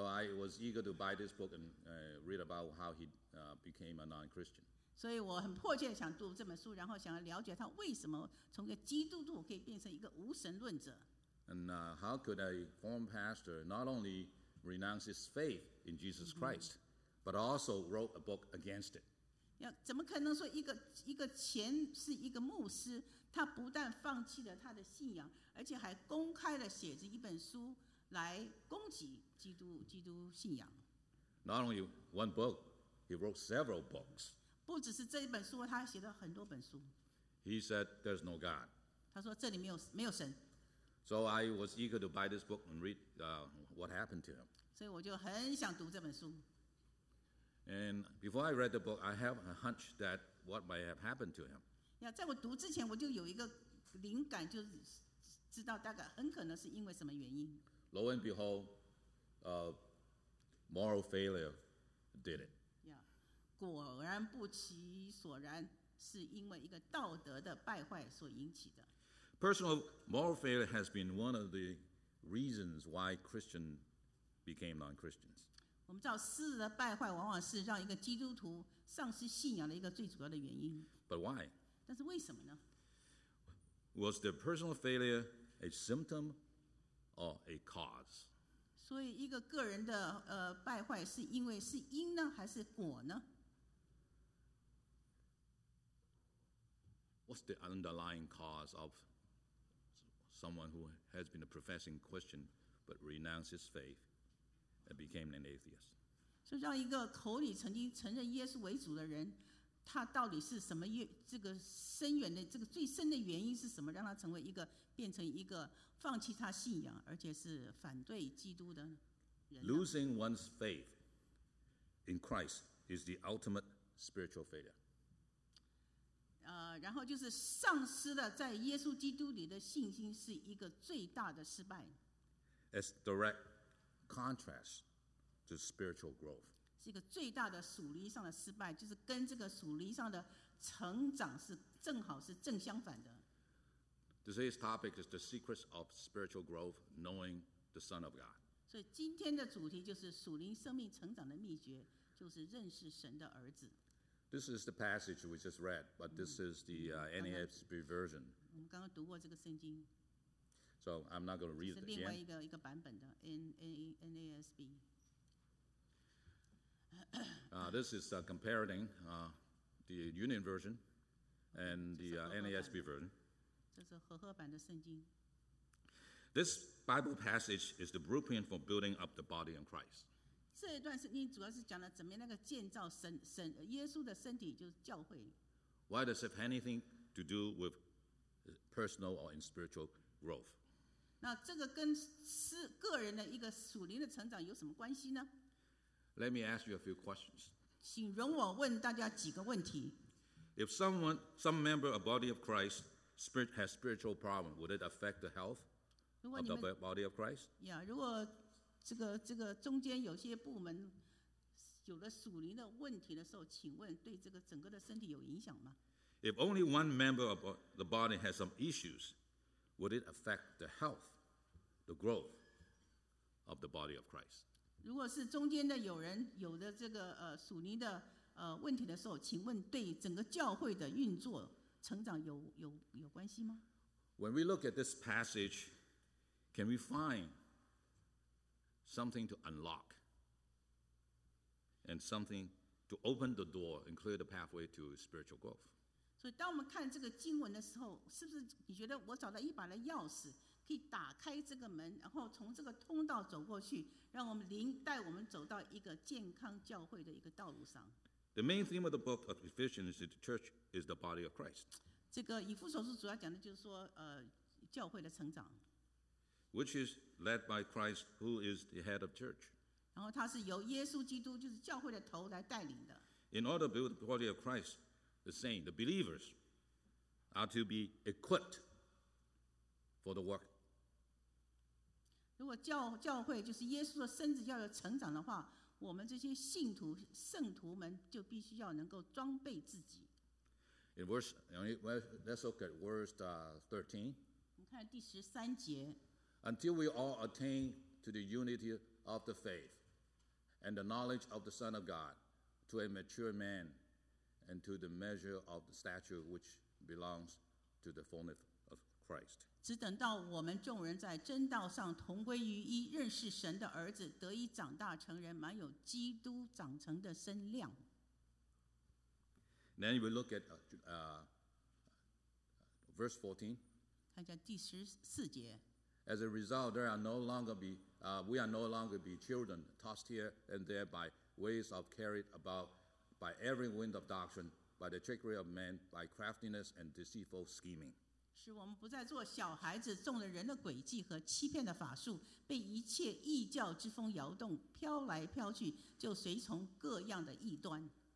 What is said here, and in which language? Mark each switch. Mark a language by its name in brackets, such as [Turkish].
[English] I was eager to buy this book and read about how he became a non-Christian. [Chinese] 所以我很迫切地想读这本书，然后想了解他为什么从一个基督徒可以变成一个无神论者。 [English] And how could a former pastor not only renounce his faith in Jesus Christ, but also wrote a book against it? [Chinese] 怎么可能说一个前是一个牧师，他不但放弃了他的信仰，而且还公开的写着一本书来攻击基督信仰。 [English] Not only one book, he wrote several books. [Chinese] 不只是这本书，他写了很多本书。 [English] He said, "There's no God." [Chinese] 他说这里没有神。 [English] So I was eager to buy this book and read what happened to him. [Chinese] 所以我就很想读这本书。 [English] And before I read the book, I have a hunch that what might have happened to him. [Chinese] 在我读之前，我就有一个灵感，就是知道大概很可能是因为什么原因。 [English] Lo and behold, moral failure did it. [Chinese] 果然不其所然，是因为一个道德的败坏所引起的。 [English] Personal moral failure has been one of the reasons why Christians became non-Christians. [Chinese] 我们知道私人的败坏往往是让一个基督徒丧失信仰的一个最主要的原因。 [English] But why? [Chinese] 但是为什么呢？ [English] Was the personal failure a symptom or a cause? [Chinese] 所以一个个人的败坏是因为是因呢还是果呢？ [English] What's the underlying cause of someone who has been a professing Christian but renounced his faith and became an atheist. [Chinese] 所以让一个口里曾经承认耶稣为主的人，他到底是什么这个深远的这个最深的原因是什么，让他成为一个变成一个放弃他信仰而且是反对基督的人？ [English] Losing one's faith in Christ is the ultimate spiritual failure. [Chinese] 然后就是丧失了在耶稣基督里的信心是一个最大的失败。 [English] As direct contrast to spiritual growth. [Chinese] 是一个最大的属灵上的失败，就是跟这个属灵上的成长是正好是正相反的。 [English] Today's topic is the secrets of spiritual growth, knowing the Son of God. [Chinese] 所以今天的主题就是属灵生命成长的秘诀，就是认识神的儿子。 [English] This is the passage we just read, but this is the NASB version. [Chinese] 我们刚刚读过这个圣经。 [English] So I'm not going to read it again. [Chinese] 是另外一个版本的 NASB. [English] This is comparing the Union version and the NASB version. [Chinese] 这是和合版的圣经。 [English] This Bible passage is the blueprint for building up the body in Christ. [Chinese] 这一段圣经主要是讲了怎么样那个建造神耶稣的身体，就是教会。 [English] Why does it have anything to do with personal or in spiritual growth? [Chinese] 那这个跟个人的一个属灵的成长有什么关系呢？ [English] Let me ask you a few questions. [Chinese] 请容我问大家几个问题。 [English] If some member of body of Christ has spiritual problem, would it affect the health of the body of Christ? [Chinese] 如果这个中间有些部门有了属灵的问题的时候，请问对这个整个的身体有影响吗？ [English] If only one member of the body has some issues, would it affect the health, the growth of the body of Christ? [Chinese] 如果是中间的有人有的这个属灵的问题的时候，请问对整个教会的运作成长有关系吗？ [English] When we look at this passage, can we find something to unlock and something to open the door and clear the pathway to spiritual growth? [Chinese] 所以当我们看这个经文的时候，是不是你觉得我找到一把的钥匙，可以打开这个门，然后从这个通道走过去，让我们灵带我们走到一个健康教会的一个道路上？ [English] The main theme of the book of Ephesians is that the church is the body of Christ. [Chinese] 这个以弗所书主要讲的就是说教会的成长。 [English] Which is led by Christ, who is the head of church. [Chinese] 然后他是由耶稣基督，就是教会的头来带领的。 [English] In order to build the body of Christ, the saints, the believers, are to be equipped for the work. [Chinese] 如果教会就是耶稣的身子要有成长的话，我们这些信徒圣徒们就必须要能够装备自己。 [English] In verse, let's look at verse 13. [Chinese] 我们看第十三节。 [English] Until we all attain to the unity of the faith and the knowledge of the Son of God, to a mature man, and to the measure of the stature which belongs to the fullness of Christ. [Chinese] 只等到我们众人在真道上同归于一，认识神的儿子，得以长大成人，满有基督长成的身量。 [English] Then we look at verse 14. [Chinese] 看一下第十四节。 [English] As a result, there are no longer we are no longer be children tossed here and there by ways of carried about by every wind of doctrine, by the trickery of men, by craftiness and deceitful scheming. [Chinese] 使我们不再做小孩子，中了人的诡计和欺骗的法术，被一切异教之风摇动，飘来飘去， 就随从各样的异端。